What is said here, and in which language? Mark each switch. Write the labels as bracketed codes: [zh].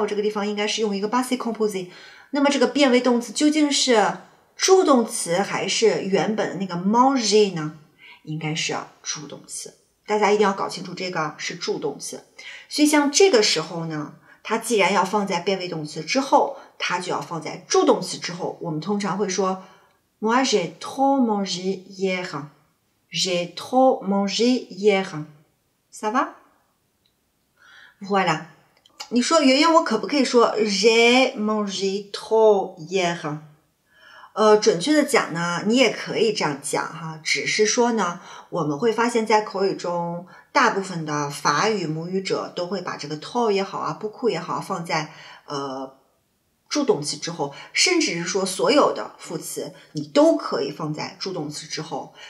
[zh] 我这个地方应该是用一个 passé composé。那么这个变位动词究竟是助动词还是原本的那个 manger 呢？应该是助动词。大家一定要搞清楚，这个是助动词。所以像这个时候呢，它既然要放在变位动词之后，它就要放在助动词之后。我们通常会说 [fr] moi j'ai trop mangé hier，j'ai trop mangé hier，ça va？ [zh] Voilà，你说圆圆，我可不可以说 [fr] j'ai mangé trop hier？ [zh] 准确的讲呢，你也可以这样讲哈，只是说呢，我们会发现在口语中，大部分的法语母语者都会把这个 trop 也好啊，beaucoup 也好，放在助动词之后，甚至是说所有的副词，你都可以放在助动词之后。